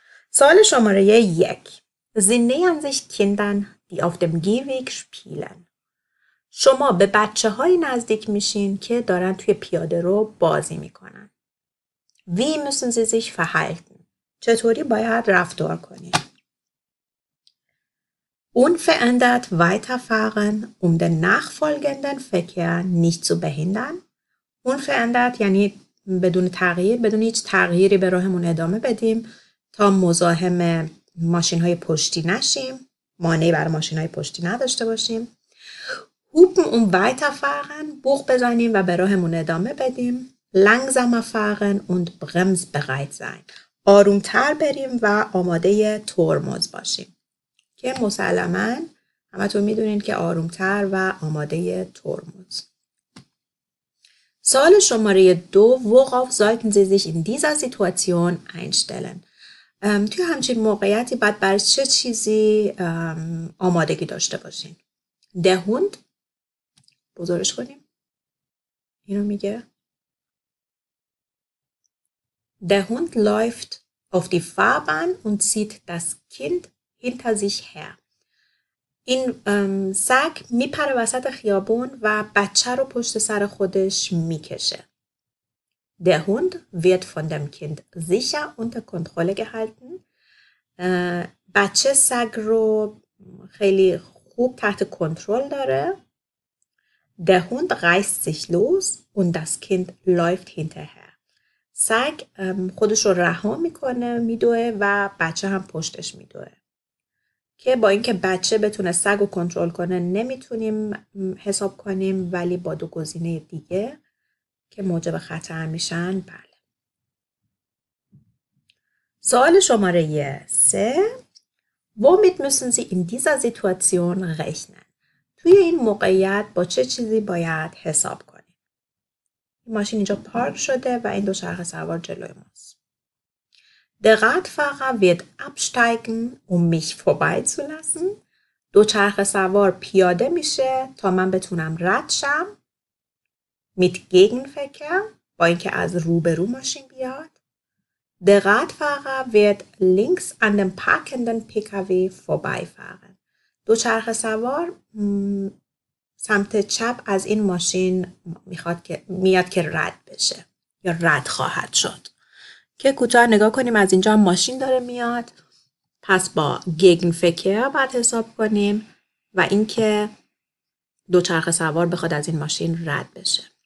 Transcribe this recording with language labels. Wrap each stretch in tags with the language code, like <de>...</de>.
<fa>سوال شماره 1:</fa> <de>Sie nähern sich Kindern, die auf dem Gehweg spielen.</de> <fa>شما به بچه های نزدیک میشین که دارن توی پیاده رو بازی میکنن.</fa> <de>Wie müssen Sie sich verhalten?</de> <fa>چطوری باید رفتار کنین؟</fa> <de>Unverändert weiterfahren, um den nachfolgenden Verkehr nicht zu behindern.</de> <fa>Unverändert یعنی بدون تغییر، بدون هیچ تغییری به راهمون ادامه بدیم تا مزاحم ماشین های پشتی نشیم، مانعی برای ماشین های پشتی نداشته باشیم. هوپن اون weiterfahren، بوق بزنیم و به راهمون ادامه بدیم.</fa> <de>langsamer fahren und bremsbereit sein،</de> <fa>آروم تر بریم و آماده ترمز باشیم، که مسلما همتون میدونین که آروم تر و آماده ترمز. سوال شماره 2:</fa> <de>worauf sollten Sie sich in dieser Situation einstellen؟</de> <fa>توی همچین موقعیتی باید بر چه چیزی آمادگی داشته باشین؟ Der Hund، بزرگش کنیم، اینو میگه.</fa> <de>Der Hund läuft auf die Fahrbahn und zieht das Kind hinter sich her.</de> <fa>این سگ میپره وسط خیابون و بچه رو پشت سر خودش میکشه.</fa> <de>Der Hund wird von dem Kind sicher unter Kontrolle gehalten.</de> <fa>بچه سگ رو خیلی خوب تحت کنترل داره.</fa> <de>Der Hund reißt sich los und das Kind läuft hinterher.</de> <fa>سگ خودش رو رها میکنه، میدوه و بچه هم پشتش میدوه. که با اینکه بچه بتونه سگ رو کنترل کنه نمیتونیم حساب کنیم، ولی با دو گزینه دیگه که موجب خطر میشن، بله. سوال شماره 3:</fa> <de>Womit müssen Sie in dieser Situation rechnen؟</de> <fa>توی این موقعیت با چه چیزی باید حساب کنیم؟ ماشین اینجا پارک شده و این دو چرخ سوار جلوی ماست.</fa> <de>Der Radfahrer wird absteigen, um mich vorbeizulassen.</de> <fa>دوچرخه سوار پیاده میشه تا من بتونم رد شم.</fa> <de>Mit Gegenverkehr،</de> <fa>با اینکه از روبرو ماشین بیاد.</fa> <de>Der Radfahrer wird links an dem parkenden PKW vorbeifahren.</de> <fa>دوچرخه سوار سمت چپ از این ماشین میاد که رد بشه یا رد خواهد شد. که کوتاه نگاه کنیم، از اینجا هم ماشین داره میاد، پس با گگنفکر باید حساب کنیم و اینکه دوچرخه سوار بخواد از این ماشین رد بشه.</fa>